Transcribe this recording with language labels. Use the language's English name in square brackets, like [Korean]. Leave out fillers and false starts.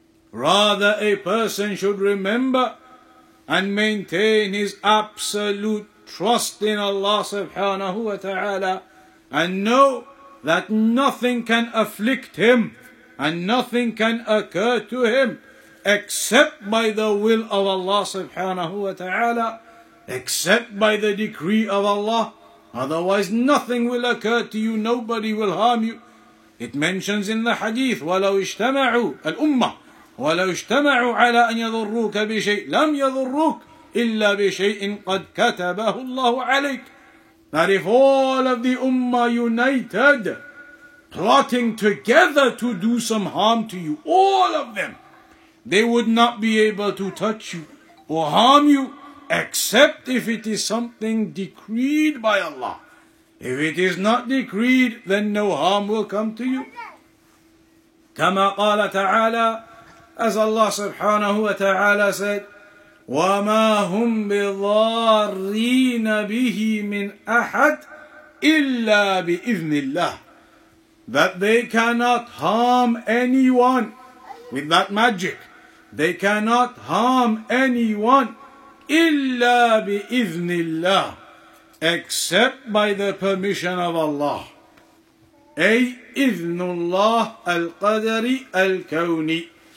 [English] Rather, a person should remember and maintain his absolute trust in Allah subhanahu wa ta'ala, and know that nothing can afflict him and nothing can occur to him except by the will of Allah subhanahu wa ta'ala, except by the decree of Allah. Otherwise nothing will occur to you, nobody will harm you. It mentions in the hadith, [Arabic] وَلَوْ اجْتَمَعُوا الْأُمَّةِ وَلَوْ اجْتَمَعُوا عَلَىٰ أَنْ يَذُرُّوكَ بِشَيْءٍ لَمْ يَذُرُّوكَ إِلَّا بِشَيْءٍ قَدْ كَتَبَهُ اللَّهُ عَلَيْكَ. [English] That if all of the ummah united, plotting together to do some harm to you, all of them, they would not be able to touch you or harm you, except if it is something decreed by Allah. If it is not decreed, then no harm will come to you. [Arabic] كَمَا قَالَ تَعَالَىٰ. [English] As Allah subhanahu wa ta'ala said, [Arabic] وَمَا هُمْ بِضَارِّينَ بِهِ مِنْ أَحَدْ إِلَّا بِإِذْنِ اللَّهِ. [English] That they cannot harm anyone with that magic. They cannot harm anyone [Arabic] إِلَّا بِإِذْنِ اللَّهِ, [English] except by the permission of Allah. [Arabic] أي إِذْنُ اللَّهِ الْقَدَرِ الْكَوْنِ.